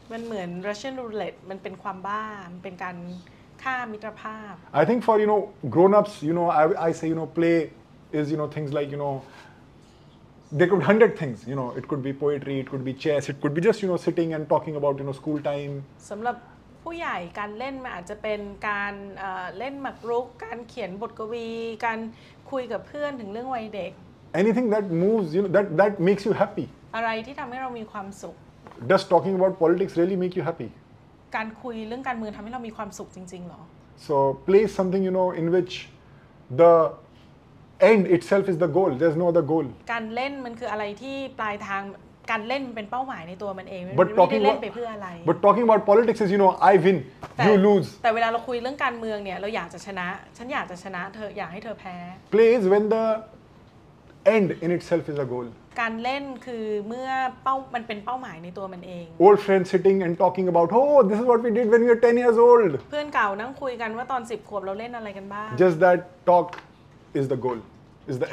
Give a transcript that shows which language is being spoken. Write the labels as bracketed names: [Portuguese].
[Thai] มันเหมือน Russian roulette, มันเป็นความบ้า, มันเป็นการฆ่ามิตรภาพ. [English] I think for, you know, grown-ups, you know, I say, you know, play is, you know, things like, you know, there could be 100 things, you know, it could be poetry, it could be chess, it could be just, you know, sitting and talking about, you know, school time. [Thai] สำหรับผู้ใหญ่การเล่นมันอาจจะเป็นการเล่นหมากรุกการเขียนบทกวีการคุยกับเพื่อนถึงเรื่องวัยเด็ก [English] Anything that moves you know, that makes you happy [Thai] อะไรที่ทำให้เรามีความสุข [English] Does talking about politics really make you happy [Thai] การคุยเรื่องการเมืองทำให้เรามีความสุขจริงๆหรอ [English] So play something you know in which the end itself is the goal there's no other goal [Thai] การเล่นมันคืออะไรที่ปลายทางการเล่นเป็นเป้าหมายในตัวมันเองไม่ได้เล่นไปเพื่ออะไร [English] But talking about politics is you know I win you lose [Thai] แต่เวลาเราคุยเรื่องการเมืองเนี่ยเราอยากจะชนะฉันอยากจะชนะเธออยากให้เธอแพ้ [English] Play is when the end in itself is a goal [Thai] การเล่นคือเมื่อเป้ามันเป็นเป้าหมายในตัวมันเอง [English] Old friends sitting and talking about oh this is what we did when we were 10 years old [Thai] เพื่อนเก่านั่งคุยกันว่าตอน10ขวบเราเล่นอะไรกันบ้าง [English] Just that talk is the goal is the end